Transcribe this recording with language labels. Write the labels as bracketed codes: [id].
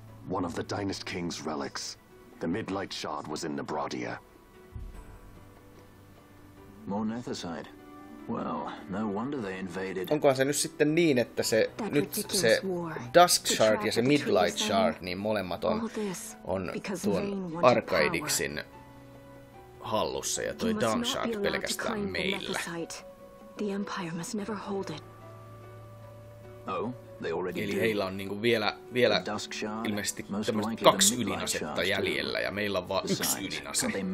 [en] One of the Dynast King's relics. The Midlight Shard was in Nabrandia. More Nethicide. Well, no wonder they invaded. [fi] Onkohan se nyt sitten niin, että se that nyt se Dusk Shard ja se Midlight Shard, niin molemmat on tuon Arkaidixin hallussa, ja toi Dawn Shard pelkästään meillä. [en] The Empire must never hold it. Oh, they already [fi] eli heillä on niinku vielä ilmeisesti tämmöset kaks ydinasetta jäljellä, ja meillä on vaan yksi ydinase.